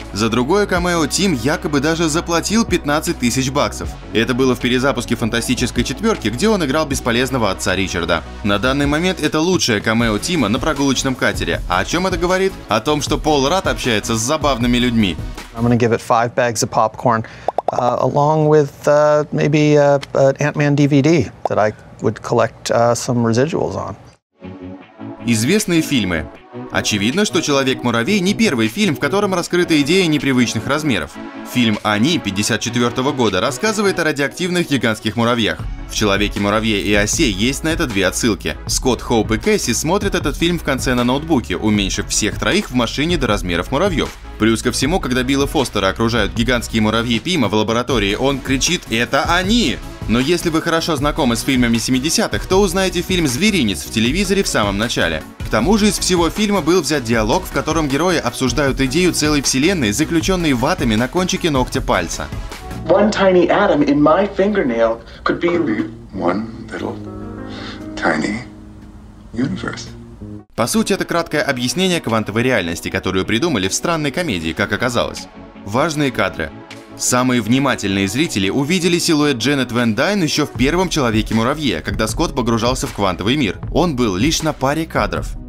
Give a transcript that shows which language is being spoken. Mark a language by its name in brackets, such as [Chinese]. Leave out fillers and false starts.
[Russian] За другое камео Тим якобы даже заплатил 15 тысяч баксов. Это было в перезапуске «Фантастической четверки», где он играл бесполезного отца Ричарда. На данный момент это лучшее камео Тима на прогулочном катере. А о чем это говорит? О том, что Пол Радд общается с забавными людьми. [English] I'm gonna give it 5 bags of popcorn. Along with maybe an Ant-Man DVD that I would collect some residuals on. [Russian] Известные фильмы. Очевидно, что «Человек-муравей» не первый фильм, в котором раскрыта идея непривычных размеров. Фильм «Они» 54 года рассказывает о радиоактивных гигантских муравьях. В «Человеке-муравье» и «Осе» есть на это две отсылки. Скотт, Хоуп и Кэсси смотрят этот фильм в конце на ноутбуке, уменьшив всех троих в машине до размеров муравьев. Плюс ко всему, когда Билла Фостера окружают гигантские муравьи Пима в лаборатории, он кричит «Это они!». Но если вы хорошо знакомы с фильмами 70-х, то узнаете фильм «Зверинец» в телевизоре в самом начале. К тому же из всего фильма был взят диалог, в котором герои обсуждают идею целой вселенной, заключенной в атоме на кончике ногтя пальца. [English] One tiny atom in my fingernail could be one little tiny universe. [Russian] По сути, это краткое объяснение квантовой реальности, которую придумали в странной комедии, как оказалось. Важные кадры. Самые внимательные зрители увидели силуэт Дженнет Ван Дайн еще в первом «Человеке-муравье», когда Скотт погружался в квантовый мир. Он был лишь на паре кадров.